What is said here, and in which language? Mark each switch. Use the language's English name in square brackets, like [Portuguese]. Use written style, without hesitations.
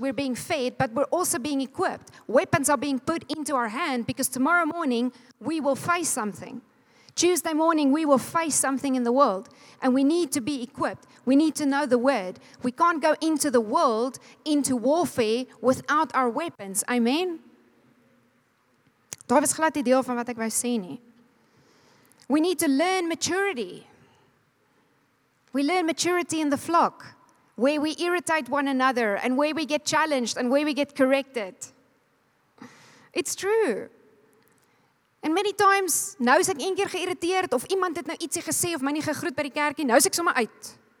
[English] We're being fed, but we're also being equipped. Weapons are being put into our hand because tomorrow morning, we will face something. Tuesday morning, we will face something in the world, and we need to be equipped. We need to know the Word. We can't go into the world, into warfare, without our weapons. Amen? [Afrikaans] Daar was glad die deel van wat ek wou sê nie. [English] We need to learn maturity. We learn maturity in the flock, where we irritate one another, and where we get challenged, and where we get corrected. It's true. And many times, [Afrikaans] nou is ek een keer geïrriteerd, of iemand het nou ietsie gesê, of my nie gegroet by die kerkie, nou is ek sommer uit.